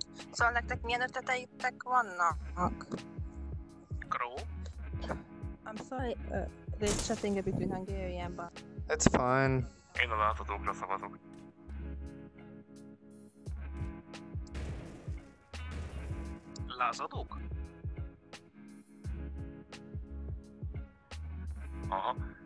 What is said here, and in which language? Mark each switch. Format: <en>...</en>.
<hu>Szóval nektek milyen ötleteitek vannak?</hu> <en>Grow? I'm sorry, they're chatting a bit in Hungarian, but... It's fine.</en> <hu>Én a láthatókra szavazok. Lázadók? Aha.</hu>